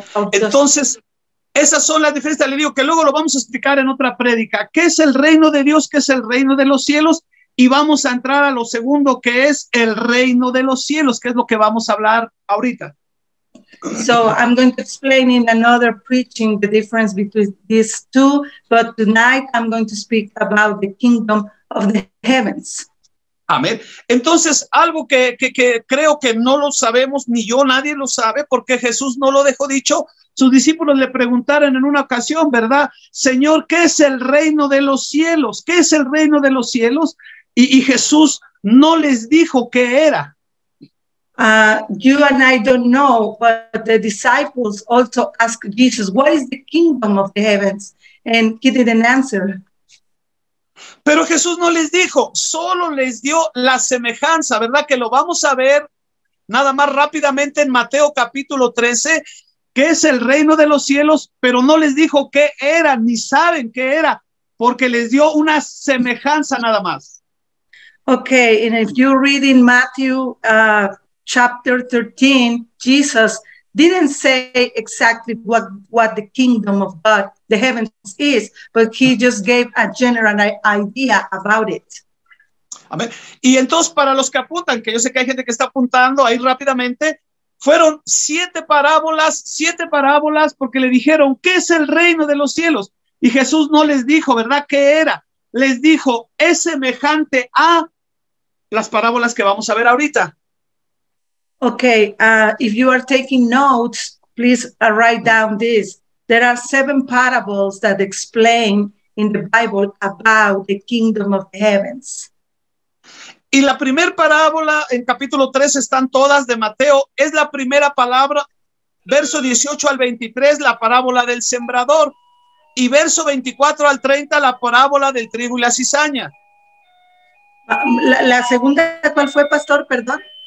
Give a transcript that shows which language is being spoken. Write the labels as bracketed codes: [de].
[es] Entonces, esas son las diferencias, le digo, que luego lo vamos a explicar en otra prédica. ¿Qué es el reino de Dios? ¿Qué es el reino de los cielos? y vamos a entrar a lo segundo, que es el reino de los cielos, que es lo que vamos a hablar ahorita. [en] So I'm going to explain in another preaching the difference between these two, but tonight I'm going to speak about the kingdom of the heavens. [es] Amén. Entonces, algo que creo que no lo sabemos, ni yo, nadie lo sabe, porque Jesús no lo dejó dicho. Sus discípulos le preguntaron en una ocasión, ¿verdad? Señor, ¿qué es el reino de los cielos? ¿Qué es el reino de los cielos? Y Jesús no les dijo qué era. [en] You and I don't know, but the disciples also asked Jesus, what is the kingdom of the heavens? And he didn't answer. [es] Pero Jesús no les dijo, solo les dio la semejanza, ¿verdad? Que lo vamos a ver nada más rápidamente en Mateo capítulo 13, que es el reino de los cielos, pero no les dijo qué era, ni saben qué era, porque les dio una semejanza nada más. [en] Okay, and if you read in Matthew chapter 13, Jesus didn't say exactly what the kingdom of God, the heavens is, but he just gave a general idea about it. [es] Amén. Y entonces, para los que apuntan, que yo sé que hay gente que está apuntando ahí rápidamente, fueron siete parábolas, porque le dijeron, ¿qué es el reino de los cielos? Y Jesús no les dijo, ¿verdad? ¿Qué era? Les dijo, es semejante a las parábolas que vamos a ver ahorita. [en] Okay, if you are taking notes, please write down this. There are seven parables that explain in the Bible about the kingdom of the heavens. [es] Y la primera parábola en capítulo 13 están todas de Mateo. Es la primera palabra, verso 18 al 23, la parábola del sembrador. Y verso 24 al 30, la parábola del trigo y la cizaña. La segunda, ¿cuál fue, pastor? Perdón.